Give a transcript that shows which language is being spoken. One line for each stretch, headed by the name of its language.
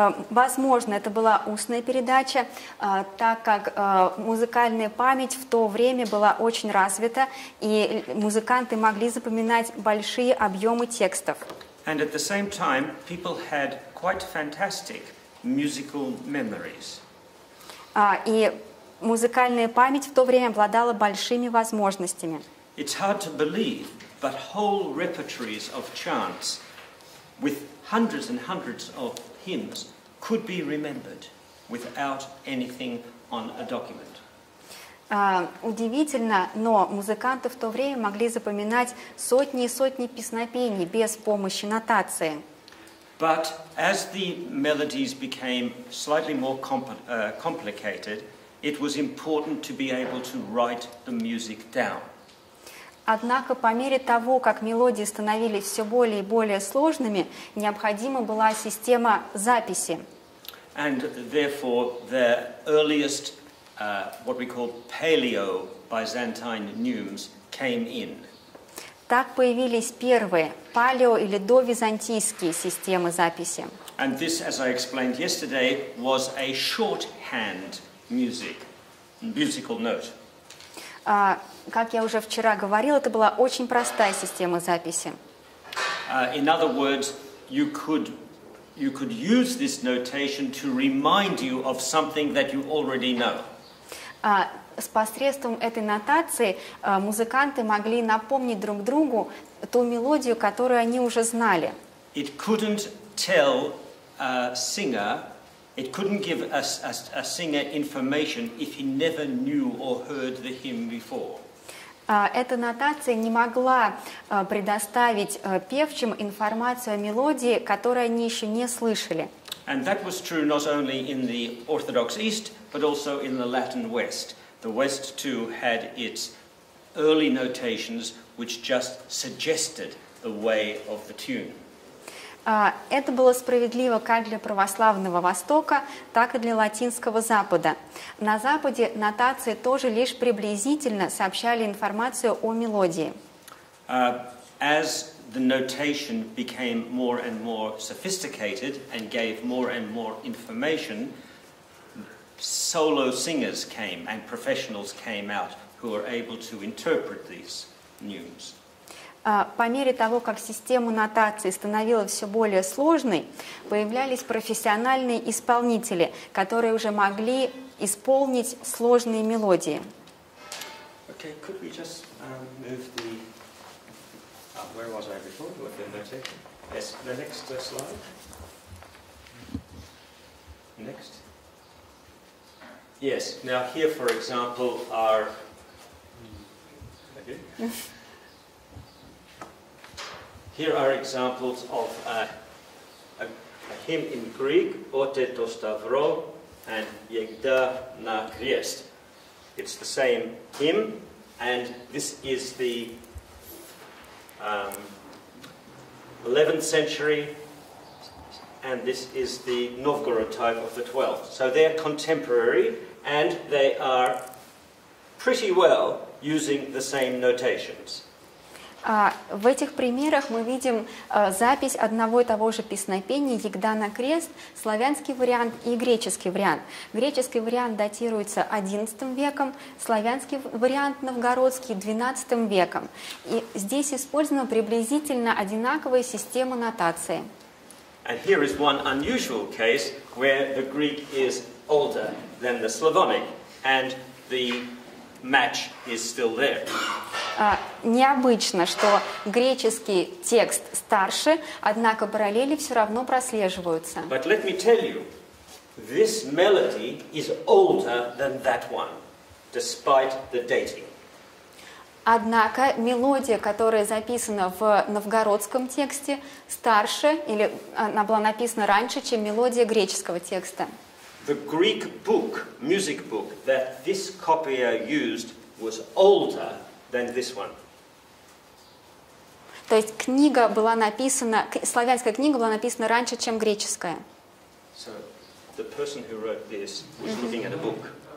Russian: Возможно, это была устная передача, так как музыкальная память в то время была очень развита, и музыканты могли запоминать большие объемы текстов.
English: And at the same time, people had quite fantastic musical memories.
Russian: И музыкальная память в то время обладала большими возможностями.
English: It's hard to believe, but whole repertories of chants with hundreds and hundreds of hymns could be remembered without anything on a document.
Russian: Удивительно, но музыканты в то время могли запоминать сотни и сотни песнопений без помощи нотации.
English: But as the melodies became slightly more complicated, it was important to be able to write the music down.
Russian: Однако, по мере того, как мелодии становились все более и более сложными, необходима была система записи.
English: And therefore, the earliest what we call paleo Byzantine neumes came in.
Russian: Так появились первые палео или довизантийские системы записи.
English: And this, as I explained yesterday, was a shorthand musical note.
Russian: Как я уже вчера говорил, это была очень простая система записи.
English: In other words, you could use this notation to remind you of something that you already know.
Russian: С посредством этой нотации музыканты могли напомнить друг другу ту мелодию, которую они уже знали.
English: It couldn't tell a singer, it couldn't give a singer information if he never knew or heard the hymn before.
Russian: Эта нотация не могла предоставить певчим информацию о мелодии, которую они еще не слышали.
English: And that was true not only in the Orthodox East, but also in the Latin West. The West too had its early notations, which just suggested the way of the tune.
Russian: Это было справедливо как для православного Востока, так и для латинского Запада. На Западе нотации тоже лишь приблизительно сообщали информацию о мелодии.
English: As the notation became more and more sophisticated and gave more and more information, solo singers came and professionals came out who were able to interpret these neumes.
Russian: По мере того, как система нотации становилась все более сложной, появлялись профессиональные исполнители, которые уже могли исполнить сложные мелодии.
English: Okay, could we just move the... where was I before? What did I take? Yes, the next slide. Next. Yes, now here, for example, are... Here are examples of a hymn in Greek, Ote to Stavro, and Yegda na Kriest. It's the same hymn, and this is the 11th century, and this is the Novgorod type of the 12th. So they're contemporary, and they are pretty well using the same notations.
Russian: В этих примерах мы видим запись одного и того же песнопения «Егда на крест», славянский вариант и греческий вариант. Греческий вариант датируется XI веком, славянский вариант новгородский – XII веком. И здесь использована приблизительно одинаковая система нотации.
English: And here is one unusual case where the Greek is older than the Slavonic, and the match is still there.
Russian: необычно, что греческий текст старше, однако параллели все равно прослеживаются.
English: But let me tell you, this melody is older than that one, despite the dating.
Russian: Однако мелодия, которая записана в новгородском тексте, старше, или она была написана раньше, чем мелодия греческого текста.
English: The Greek book, music book, that this copier used was older than this one.
Russian: То есть книга была написана, славянская книга была написана раньше, чем греческая.
English: So, the person who wrote this was looking at a book.